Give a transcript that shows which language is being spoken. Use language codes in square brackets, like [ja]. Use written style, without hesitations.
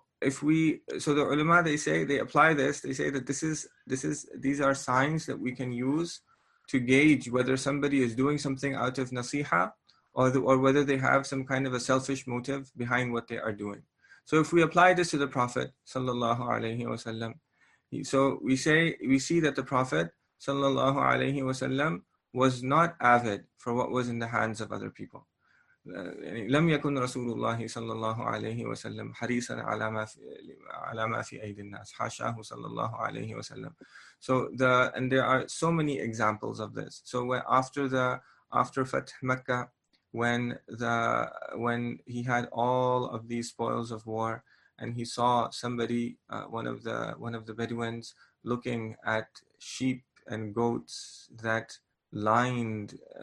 [en] So the ulama, they say, they apply this, they say that these are signs that we can use to gauge whether somebody is doing something out of nasiha or whether they have some kind of a selfish motive behind what they are doing. So if we apply this to the Prophet sallallahu alaihi wasallam, we see that the Prophet sallallahu alaihi wasallam was not avid for what was in the hands of other people. [ar] لم يكن رسول الله صلى الله عليه وسلم حريصا على ما في أيدي الناس حاشاه صلى الله عليه وسلم. [en] And there are so many examples of this. So after Fath Mecca, when he had all of these spoils of war, and he saw somebody, one of the Bedouins, looking at sheep and goats that lined